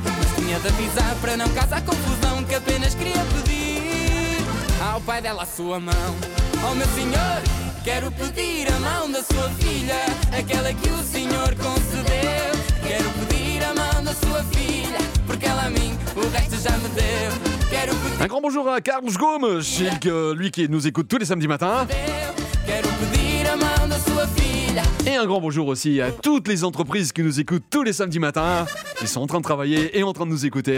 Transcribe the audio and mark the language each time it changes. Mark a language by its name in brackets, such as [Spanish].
[Portuguese] Mas tinha de avisar para não causar confusão, que apenas queria pedir ao pai dela a sua mão. Oh meu senhor, quero pedir a mão da sua filha, aquela que o senhor concedeu. Quero pedir a mão da sua filha, porque ela a mim o resto já me deu. Quero pedir... [French] Un grand bonjour à Carlos Gomes, lui qui nous écoute tous les samedis matins. [Portuguese] Quero pedir a mão da sua filha. [French] Et un grand bonjour aussi à toutes les entreprises qui nous écoutent tous les samedis matins. Ils sont en train de travailler et en train de nous écouter.